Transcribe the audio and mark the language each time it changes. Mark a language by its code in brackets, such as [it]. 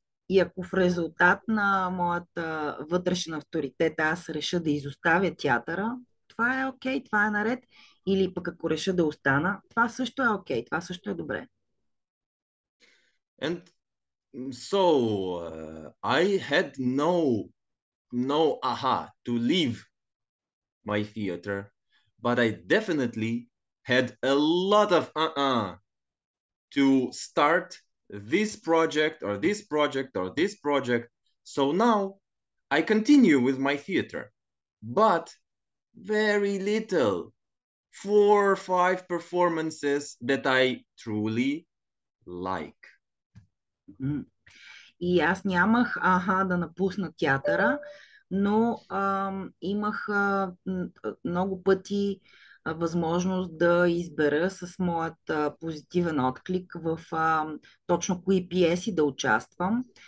[bg] И ако в резултат на моята вътрешен авторитет аз реша да изоставя театъра, това е окей, това е наред. Или пък ако реша да остана, това също е окей, това също е добре. [en] And so I had no aha to leave my theater, but I definitely had a lot of to start this project. So now I continue with my theater, but very little, 4 or 5 performances that I truly like. [bg] И аз нямах да напусна театъра, но имах много пъти възможност да избера с моят позитивен отклик в точно кои пиеси да участвам.